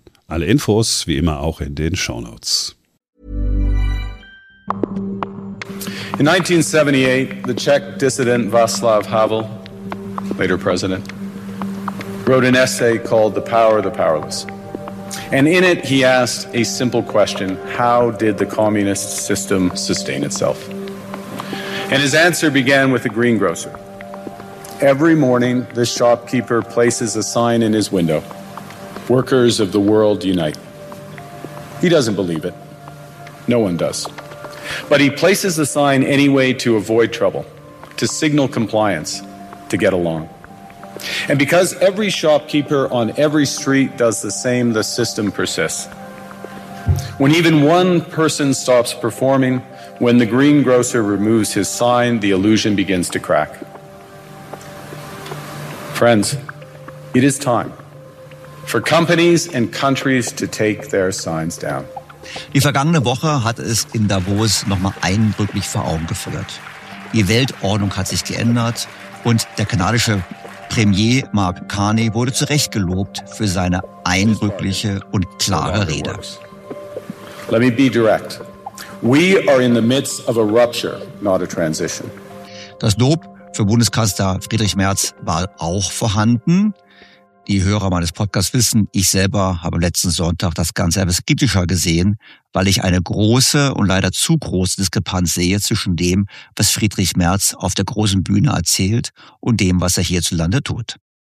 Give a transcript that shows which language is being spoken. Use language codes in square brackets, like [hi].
[de] Alle Infos wie immer auch in den Shownotes. [en] In 1978, the Czech dissident Václav Havel, later president, wrote an essay called The Power of the Powerless. And in it, he asked a simple question: how did the communist system sustain itself? And his answer began with a greengrocer. Every morning, the shopkeeper places a sign in his window: workers of the world unite. He doesn't believe it. No one does. But he places the sign anyway to avoid trouble, to signal compliance, to get along. And because every shopkeeper on every street does the same, the system persists. When even one person stops performing, when the greengrocer removes his sign, the illusion begins to crack. Friends, it is time for companies and countries to take their signs down. [de] Die vergangene Woche hat es in Davos nochmal eindrücklich vor Augen geführt. Die Weltordnung hat sich geändert und der kanadische Premier Mark Carney wurde zu Recht gelobt für seine eindrückliche und klare Rede. [en] Let me be direct. We are in the midst of a rupture, not a transition. [de] Das Lob für Bundeskanzler Friedrich Merz war auch vorhanden. Die Hörer meines Podcasts wissen, ich selber habe letzten Sonntag das Ganze etwas skeptischer gesehen, weil ich eine große und leider zu große Diskrepanz sehe zwischen dem, was Friedrich Merz auf der großen Bühne erzählt und dem, was er hierzulande tut.